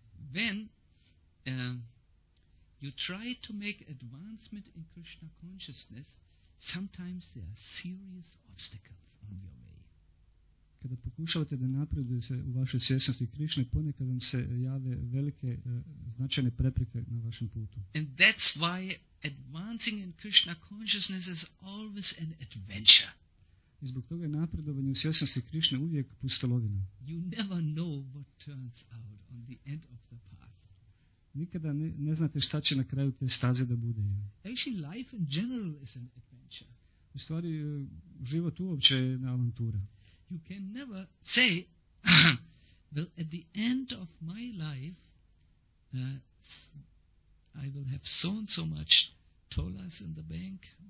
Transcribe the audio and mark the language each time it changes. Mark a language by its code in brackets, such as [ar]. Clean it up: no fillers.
[en] When you try to make advancement in Krishna consciousness, sometimes there are serious obstacles on your way. [bs] Kada pokušavate da napredujete u vašoj svjesnosti Krišne, ponekad vam se jave velike značajne prepreke na vašem putu. [en] And that's why advancing in Krishna consciousness is always an adventure. [bs] I zbog toga je napredovanje u svjesnosti Krišne uvijek pustolovina. [en] You never know what turns out on the end of the path. [bs] Nikada ne znate šta će na kraju te staze da bude. [en] Actually, life in general is an adventure. [bs] U stvari, život uopće je jedna avantura. [en] You can never say, well, at the end of my life, I will have so and so much tolas in the bank.